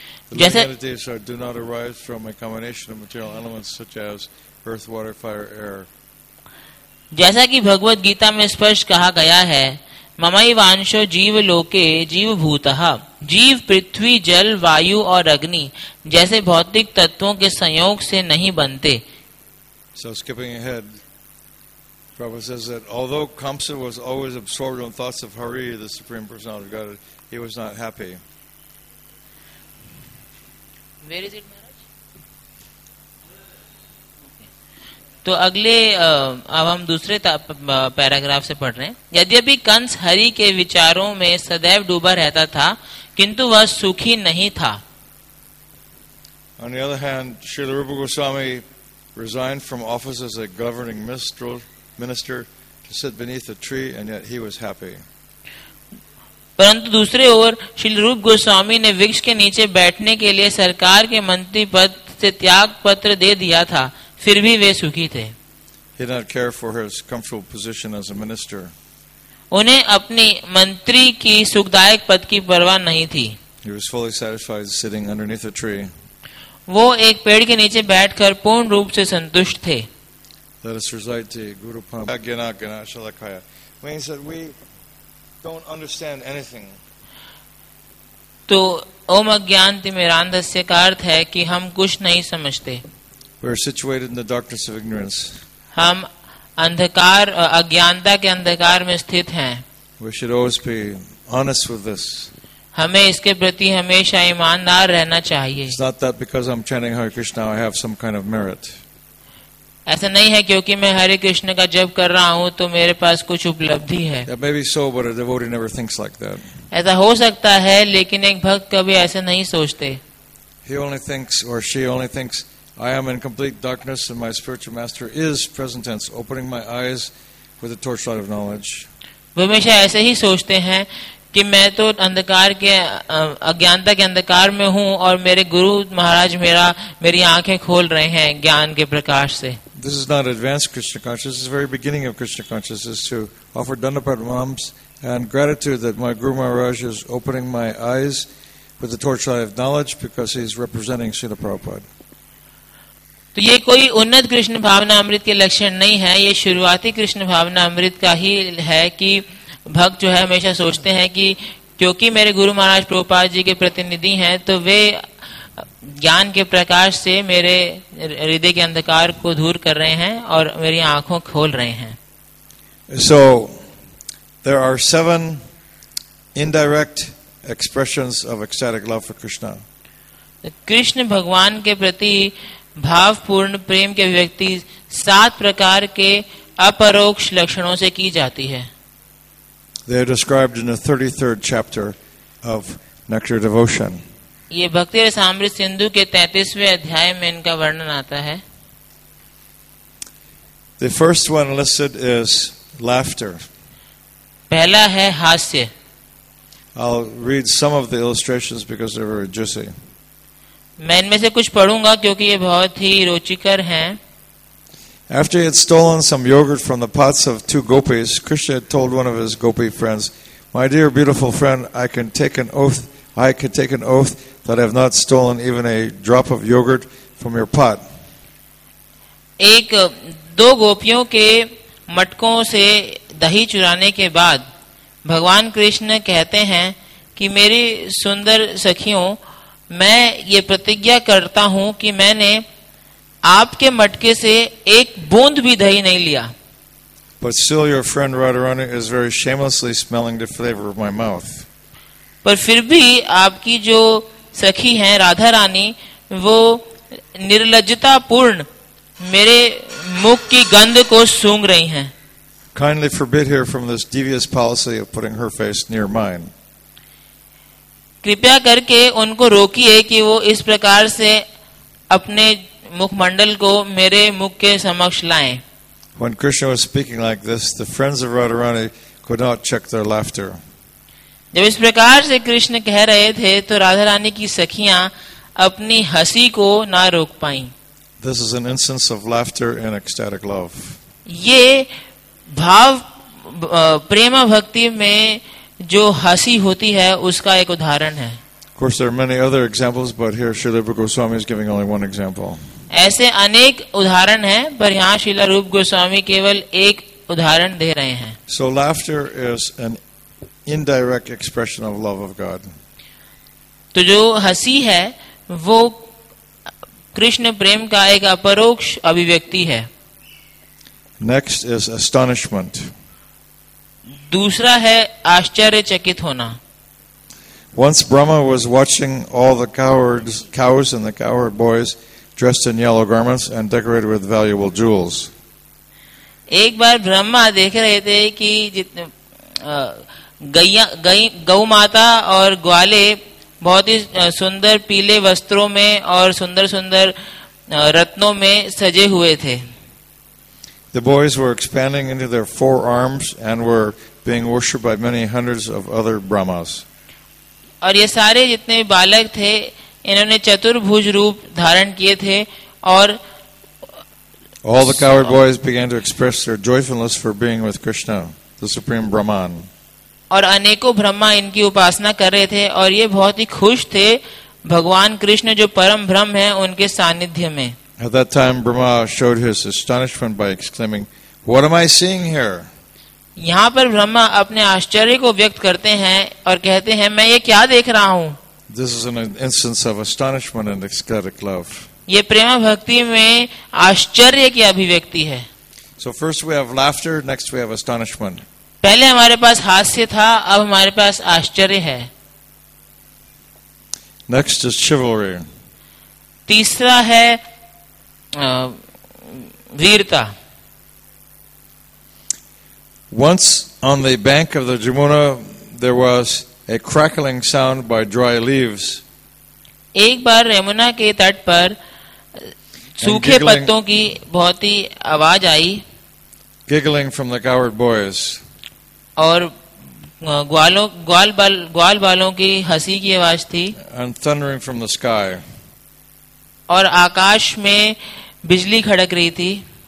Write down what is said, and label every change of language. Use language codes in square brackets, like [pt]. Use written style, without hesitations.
[en] The entities do not arise from a combination of material elements such as earth, water, fire, air. [hi] जैसा कि भगवत गीता में स्पष्ट कहा गया है, [sa] Mama Vangso Jiva Loke Jiva Bhuta. [hi] जीव पृथ्वी जल वायु और अग्नि जैसे भौतिक तत्वों के संयोग से नहीं बनते. [en] So skipping ahead. Prabhupada says that although Kamsa was always absorbed in thoughts of Hari, the Supreme Personality of God, he was not happy. Where is it, Maharaj? [hi] तो अगले अब हम दूसरे पैराग्राफ से पढ़ रहे हैं. यद्यपि कंस हरि के विचारों में सदैव डूबा रहता था किंतु वह सुखी नहीं था. [en] On the other hand, Srila Rupa Goswami resigned from office as a governing minstrel. Minister to sit beneath a tree, and yet he was happy. [hi] परंतु दूसरे ओर श्री रूप गोस्वामी ने वृक्ष के नीचे बैठने के लिए सरकार के मंत्री पद से त्याग पत्र दे दिया था, फिर भी वे सुखी थे. [en] He did not care for his comfortable position as a minister. [hi] उन्हें अपनी मंत्री की सुखदायक पद की परवाह नहीं थी. [en] He was fully satisfied sitting underneath a tree. [hi] वो एक पेड़ के नीचे बैठकर पूर्ण रूप से संतुष्ट थे. [en] Let us recite the Guru Parampara. [sa] Agyana Gana Shalakaya. [en] Means that we don't understand anything. [hi] तो [sa] ओम अज्ञान तिमिरांधस्य [hi] का अर्थ है कि हम कुछ नहीं समझते. [en] We are situated in the darkness of ignorance. [hi] हम अंधकार अज्ञानता के अंधकार में स्थित हैं. [en] We should always be honest with this. [hi] हमें इसके प्रति हमेशा ईमानदार रहना चाहिए. [en] It's not that because I'm chanting Hare Krishna I have some kind of merit. [hi] ऐसा नहीं है क्योंकि मैं हरे कृष्ण का जप कर रहा हूँ तो मेरे पास कुछ उपलब्धि है. [en] That may be so, but a devotee never thinks like that. [hi] ऐसा हो सकता है लेकिन एक भक्त कभी ऐसा नहीं सोचते. [en] He only thinks or she only thinks I am in complete darkness and my spiritual master is present tense opening my eyes with a torchlight of knowledge. [hi] वे हमेशा ऐसे ही सोचते हैं कि मैं तो अंधकार के अज्ञानता के अंधकार में हूँ और मेरे गुरु महाराज मेरी आंखें खोल रहे हैं ज्ञान के प्रकाश से. [en] This is not advanced Krishna consciousness. This is the very beginning of Krishna consciousness to offer dandapranams and gratitude that my Guru Maharaj is opening my eyes with the torchlight of knowledge because he's representing Srila Prabhupada. [hi] तो ये कोई उन्नत कृष्ण भावना अमृत के लक्षण नहीं है. ये शुरुआती कृष्ण भावना अमृत का ही है कि भक्त जो है हमेशा सोचते हैं कि क्योंकि मेरे गुरु महाराज प्रभुपाद जी के प्रतिनिधि हैं तो वे ज्ञान के प्रकाश से मेरे हृदय के अंधकार को दूर कर रहे हैं और मेरी आंखों खोल रहे हैं. [en] So, there are 7 indirect expressions of ecstatic love for Krishna. [hi] Krishna भगवान के प्रति भावपूर्ण प्रेम के व्यक्ति 7 प्रकार के अपरोक्ष लक्षणों से की जाती है. [en] They are described in the 33rd chapter of Nectar Devotion. [hi] ये भक्ति रसामृत सिंधु के 33वें अध्याय में इनका वर्णन आता है. [en] The first one listed is laughter. [hi] पहला है हास्य. [en] I'll read some of the illustrations because they're very juicy. [hi] मैं इनमें से कुछ पढ़ूंगा क्योंकि ये बहुत ही रोचकर हैं. [en] After he had stolen some yogurt from the pots of 2 gopis, Krishna had told one of his gopi friends, "My dear beautiful friend, I can take an oath that I have not stolen even a drop of yogurt from your pot." [hi] एक दो गोपियों के मटकों से दही चुराने के बाद भगवान कृष्ण कहते हैं कि मेरी सुंदर सखियों, मैं ये प्रतिज्ञा करता हूँ कि मैंने आपके मटके से एक बूंद भी दही नहीं लिया. [en] But still your friend Radharani is very shamelessly smelling the flavor of my mouth. [hi] पर फिर भी आपकी जो सखी हैं राधा रानी वो निर्लज्जता पूर्ण मेरे मुख की गंध को सूंघ रही हैं. [en] Kindly forbid her from this devious policy of putting her face near mine. [hi] कृपया करके उनको रोकिए कि वो इस प्रकार से अपने मुखमंडल को मेरे मुख के समक्ष लाएं. [en] When Krishna was speaking like this, the friends of Radharani could not check their laughter. [hi] जब इस प्रकार से कृष्ण कह रहे थे तो राधा रानी की सखियां अपनी हंसी को ना रोक पाईं. [en] This is an instance of laughter and ecstatic love. [hi] ये भाव प्रेम भक्ति में जो हंसी होती है उसका एक उदाहरण है. [en] Of course, there are many other examples, but here Srila Rupa Goswami is giving only one example. [hi] ऐसे अनेक उदाहरण हैं, पर यहाँ श्रीला रूप गोस्वामी केवल एक उदाहरण दे रहे हैं. [en] So laughter is an indirect expression of love of God. [hi] तो जो हंसी है वो कृष्ण प्रेम का एक अपरोक्ष अभिव्यक्ति है. [en] Next is astonishment. [hi] दूसरा है आश्चर्यचकित होना. [en] Once Brahma was watching all the cows and the cowherd boys dressed in yellow garments and decorated with valuable jewels. [hi] एक बार ब्रह्मा देख रहे थे कि जितने गौ माता और ग्वाले बहुत ही सुंदर पीले वस्त्रों में और सुंदर सुंदर रत्नों में सजे हुए थे. [en] The boys were expanding into their forearms and were being worshipped by many hundreds of other Brahmas. [hi] और ये सारे जितने बालक थे इन्होंने चतुर्भुज रूप धारण किए थे और [en] All the cowherd boys began to express their joyfulness for being with Krishna, the supreme Brahman. [hi] और अनेकों ब्रह्मा इनकी उपासना कर रहे थे और ये बहुत ही खुश थे भगवान कृष्ण जो परम ब्रह्म है उनके सानिध्य में. [en] At that time, Brahma showed his astonishment by exclaiming, "What am I seeing here?" [hi] यहाँ पर ब्रह्मा अपने आश्चर्य को व्यक्त करते हैं और कहते हैं मैं ये क्या देख रहा हूँ. [en] This is an instance of astonishment and ecstatic love. [hi] ये प्रेम भक्ति में आश्चर्य की अभिव्यक्ति है. [en] So first we have laughter, next we have astonishment. [hi] पहले हमारे पास हास्य था, अब हमारे पास आश्चर्य है. [en] Next is chivalry. [hi] तीसरा है वीरता. [en] Once on the bank of the Jamuna, there was a crackling sound by dry leaves. [hi] एक बार यमुना के तट पर सूखे पत्तों की बहुत ही आवाज आई. [en] Giggling from the coward boys. [hi] और ग्वाल बालों की हंसी की आवाज थी. [en] And thundering from the sky. [hi] और आकाश में बिजली खड़क रही थी.